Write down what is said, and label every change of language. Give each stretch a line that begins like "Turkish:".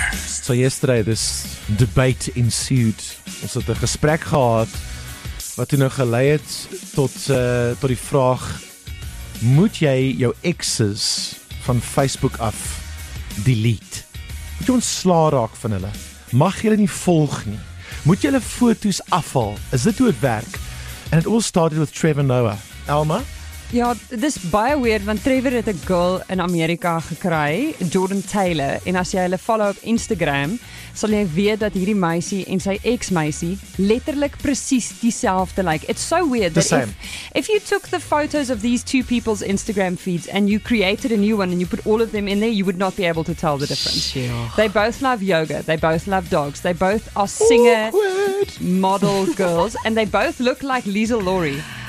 English: So yesterday this debate ensued.
Afrikaans: Ons het 'n gesprek gehad wat toe nou gelei het tot die vraag: moet jy jou exes van Facebook af delete? Moet jy ontslaa raak van hulle? Mag jy hulle nie volg nie? Moet jy hulle foto's afhaal? Is dit hoe dit werk?
English: And it all started with Trevor Noah. Elma?
Afrikaans: Ja, dit is baie weird, want Trevor het 'n girl in Amerika gekry, Jordan Taylor, en as jy hulle follow op Instagram, sal jy weet dat hierdie meisie en sy ex-meisie letterlik presies dieselfde lyk.
English: It's so weird. The same. If you took the photos of these two people's Instagram feeds and you created a new one and you put all of them in there, you would not be able to tell the difference. Sure. They both love yoga. They both love dogs. They both are singer, awkward, model girls, and they both look like Lisa Lori.